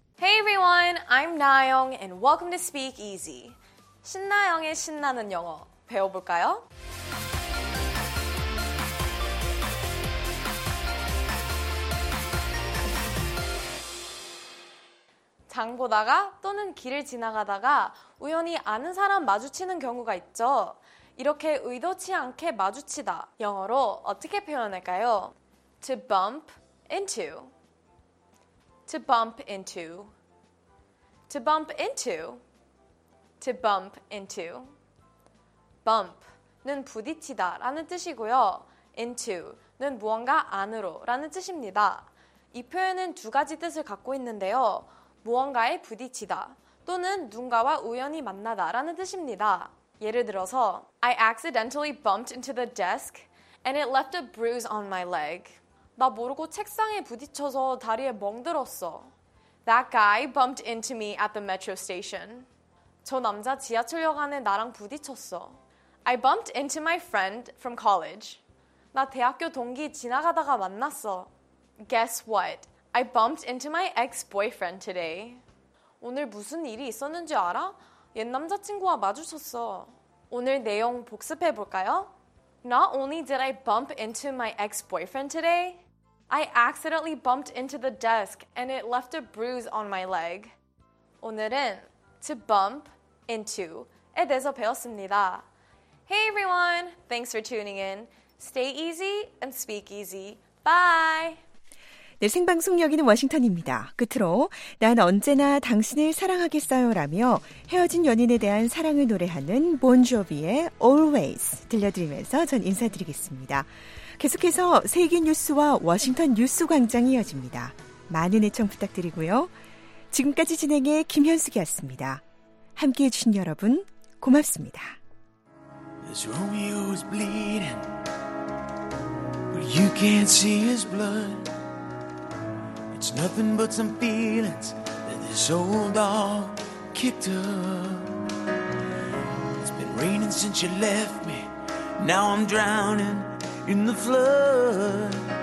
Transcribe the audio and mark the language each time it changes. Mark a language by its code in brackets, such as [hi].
[en] Hey everyone, I'm Nayoung and welcome to Speak Easy. [ko] 신나영의 신나는 영어 배워볼까요? 장 보다가 또는 길을 지나가다가 우연히 아는 사람 마주치는 경우가 있죠. 이렇게 의도치 않게 마주치다, 영어로 어떻게 표현할까요? [en] To bump into. To bump into. To bump into. To bump into. [ko] Bump는 부딪히다 라는 뜻이고요. Into는 무언가 안으로 라는 뜻입니다. 이 표현은 두 가지 뜻을 갖고 있는데요. 무언가에 부딪히다 또는 누군가와 우연히 만나다 라는 뜻입니다. 예를 들어서 [en] I accidentally bumped into the desk and it left a bruise on my leg. [ko] 나 모르고 책상에 부딪혀서 다리에 멍들었어. [en] That guy bumped into me at the metro station. [ko] 저 남자 지하철역 안에 나랑 부딪혔어. [en] I bumped into my friend from college. [ko] 나 대학교 동기 지나가다가 만났어. [en] Guess what? I bumped into my ex-boyfriend today. [ko] 오늘 무슨 일이 있었는지 알아? 옛 남자친구와 마주쳤어. 오늘 내용 복습해 볼까요? [en] Not only did I bump into my ex-boyfriend today, I accidentally bumped into the desk and it left a bruise on my leg. [ko] 오늘은 to bump into에 대해서 배웠습니다. [en] Hey everyone, thanks for tuning in. Stay easy and speak easy. Bye! [ko] 네, 생방송 여기는 워싱턴입니다. 끝으로 난 언제나 당신을 사랑하겠어요 라며 헤어진 연인에 대한 사랑을 노래하는 본조비의 Always 들려드리면서 전 인사드리겠습니다. 계속해서 세계 뉴스와 워싱턴 뉴스 광장이 이어집니다. 많은 애청 부탁드리고요. 지금까지 진행해 김현숙이었습니다. 함께해 주신 여러분 고맙습니다. [en] His Romeo's bleeding But you can't see his blood It's nothing but some feelings that this old dog kicked up. It's been raining since you left me. Now I'm drowning in the flood.